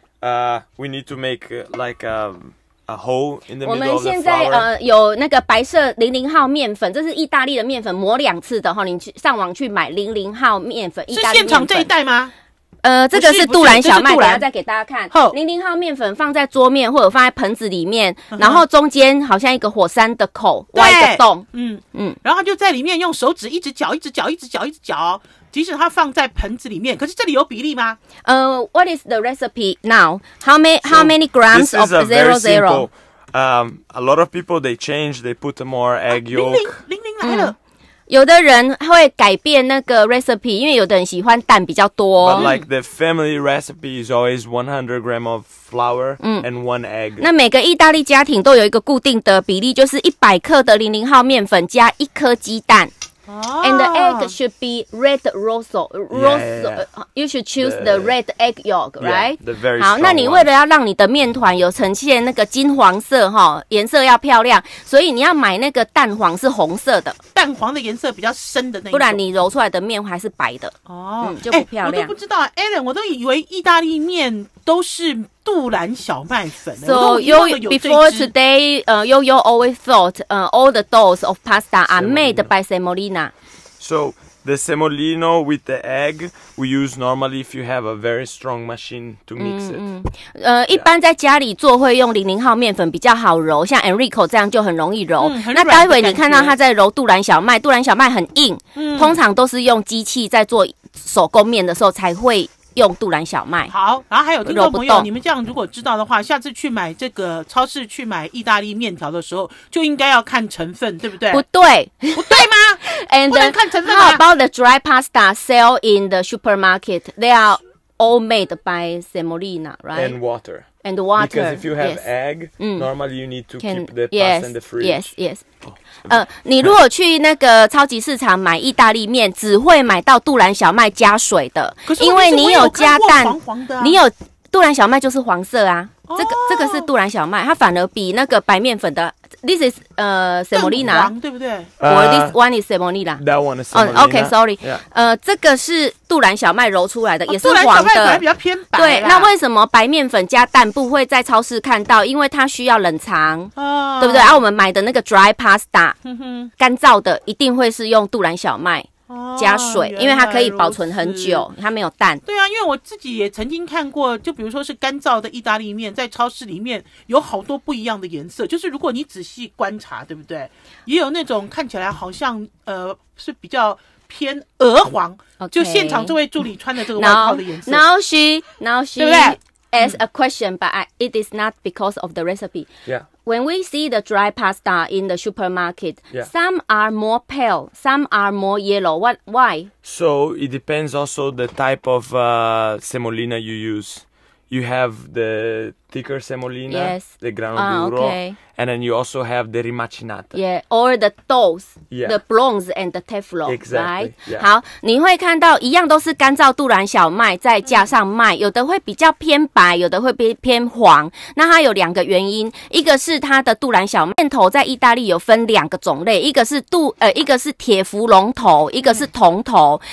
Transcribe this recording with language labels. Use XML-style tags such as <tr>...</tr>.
<en>We need to make like a hole in the middle of the flour.</en> <zh>我们现在有那个白色零零号面粉，这是意大利的面粉，磨两次的哈。你去上网去买零零号面粉，意大利面粉是现场这一袋吗？这个是杜兰小麦，等一下再给大家看。好，零零号面粉放在桌面或者放在盆子里面，然后中间好像一个火山的口，挖一个洞。然后就在里面用手指一直搅，一直搅，一直搅，一直搅。即使它放在盆子里面，可是这里有比例吗？</zh> <en>What is the recipe now? How many grams of 00? A lot of people they change, they put more egg yolk.</en> <zh>零零来了。有的人会改变那个 recipe， 因为有的人喜欢蛋比较多。</zh> <en>But like the family recipe is always 100 gram of flour and one egg。</en> <zh>那每个意大利家庭都有一个固定的比例，就是100克的00号面粉加一颗鸡蛋。</zh> <en>And the egg should be red rosso. You should choose the red egg yolk, right? Yeah, the very</en> <zh>好，那你为了要让你的面团有呈现那个金黄色哈，颜色要漂亮，所以你要买那个蛋黄是红色的，蛋黄的颜色比较深的那种，不然你揉出来的面还是白的。就不漂亮。我都不知道 ，Alan， 我都以为意大利面都是杜兰小麦粉。</zh> <en>So you before today, you always thought, all the doughs of pasta are made by semolina. So the semolino with the egg we use normally if you have a very strong machine to mix it.</en> <zh>一般在家里做会用00号面粉比较好揉，像 Enrico 这样就很容易揉。那待会你看到他在揉杜兰小麦，杜兰小麦很硬，通常都是用机器在做手工面的时候才会。用杜兰小麦好，然后还有听众朋友，你们这样如果知道的话，下次去买这个超市去买意大利面条的时候，就应该要看成分，对不对？不对，不对吗？</zh> <en>And</en> <zh>不能看成分吗</zh> <en>？How about the dry pasta sell in the supermarket? They are all made by semolina, right? And water. And water. Because if you have egg, normally you need to keep the pasta in the fridge. Yes, yes.</en> <zh>你如果去那个超级市场买意大利面，只会买到杜兰小麦加水的，因为你有加蛋，黃黃的啊、你有杜兰小麦就是黄色啊。这个是杜兰小麦，它反而比那个白面粉的 ，</zh> <en>this is semolina，</en> <zh>对不对？</zh> <en>This one is semolina。 That one is semolina。 Oh, okay, sorry。</en> <zh>这个是杜兰小麦揉出来的，也是黄的。杜兰小麦比较偏白。对，那为什么白面粉加蛋不会在超市看到？因为它需要冷藏，对不对？我们买的那个 dry pasta， 干燥的一定会是用杜兰小麦。加水，因为它可以保存很久，它没有蛋。对啊，因为我自己也曾经看过，就比如说是干燥的意大利面，在超市里面有好多不一样的颜色，就是如果你仔细观察，对不对？也有那种看起来好像是比较偏鹅黄，</zh> <en>okay.</en> <zh>就现场这位助理穿的这个外套的颜色。</zh> <en>Now she</en> <zh>对不对</zh> <en>？Ask a question, but it is not because of the recipe. Yeah. When we see the dry pasta in the supermarket, some are more pale, some are more yellow. What? Why? So it depends also the type of semolina you use. You have the thicker semolina, the grano duro, and then you also have the rimacinata. Yeah, or the doughs, the bronze and the teflon, right?</en> <zh>好，你会看到一样都是干燥杜兰小麦，再加上麦，有的会比较偏白，有的会偏黄。那它有两个原因，一个是它的杜兰小麦面头在意大利有分两个种类，一个是铁氟龙头，一个是铜头。</zh>